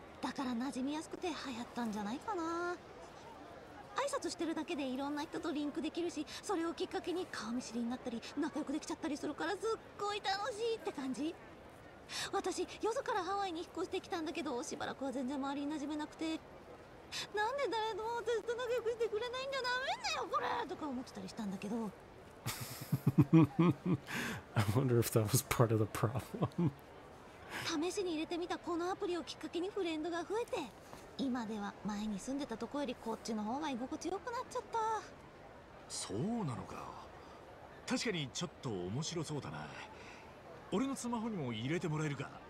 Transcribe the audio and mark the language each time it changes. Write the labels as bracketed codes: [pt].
[ja] だから馴染みやすくて流行ったんじゃないかな。挨拶してるだけでいろんな人とリンクできるし、それをきっかけに顔見知りになったり仲良くできちゃったりするから、すっごい楽しいって感じ。私よそからハワイに引っ越してきたんだけど、しばらくは全然周りに馴染めなくて、なんで誰でも私と仲良くしてくれないんじゃ、ダメだよこれとか思ってたりしたんだけど。 [en] I wonder if that was part of the problem. [ja] 試しに入れてみたこのアプリをきっかけにフレンドが増えて、今では前に住んでたとこよりこっちの方が居心地よくなっちゃった。そうなのか。確かにちょっと面白そうだな。俺のスマホにも入れてもらえるか？